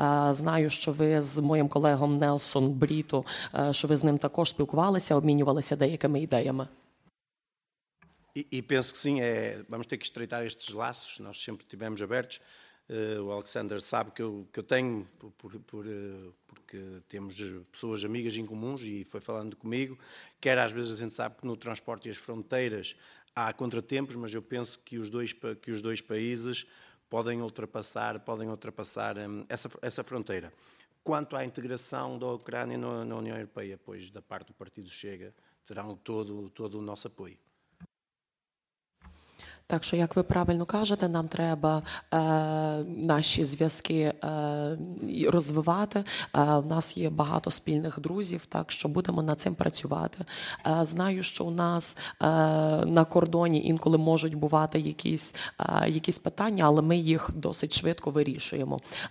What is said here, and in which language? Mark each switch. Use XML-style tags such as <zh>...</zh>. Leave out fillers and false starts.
<uk>Знаю, що ви з моїм колегом Нелсон Бріто, що ви з ним також спілкувалися, обмінювалися деякими ідеями.</uk> <pt>І penso que sim, vamos ter que estreitar estes laços, nós sempre tivemos abertos. O Alexander sabe que eu tenho, porque temos pessoas amigas em comuns e foi falando comigo, que era às vezes a gente sabe que no transporte e as fronteiras há contratempos, mas eu penso que os dois países podem ultrapassar essa fronteira. Quanto à integração da Ucrânia na União Europeia, pois da parte do Partido Chega, terão todo o nosso apoio.</pt> <uk>Так що, як ви правильно кажете, нам треба наші зв'язки розвивати. У нас є багато спільних друзів, так що будемо над цим працювати. Знаю, що у нас на кордоні інколи можуть бувати якісь питання, але ми їх досить швидко вирішуємо.</uk>